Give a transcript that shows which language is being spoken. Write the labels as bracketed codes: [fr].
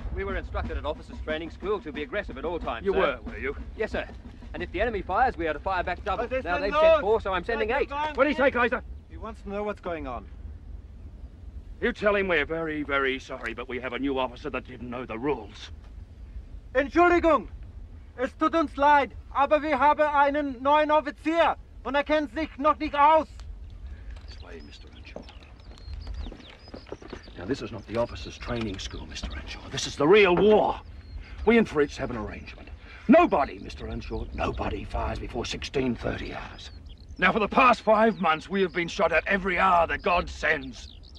[en] We were instructed at officers' training school to be aggressive at all times, you sir. Were you? Yes, sir. And if the enemy fires, we are to fire back double. Now, they've sent four, so I'm sending eight. What do you say, Kaiser? He wants to know what's going on. You tell him we're very, very sorry, but we have a new officer that didn't know the rules. [de] Entschuldigung! Es tut uns leid, aber wir haben einen neuen Offizier und kennt sich noch nicht aus. [en] This way, Mr. Now, this is not the officer's training school, Mr. Earnshaw. This is the real war. We in Fritz have an arrangement. Nobody, Mr. Earnshaw, nobody fires before 16:30 hours. Now, for the past 5 months, we have been shot at every hour that God sends.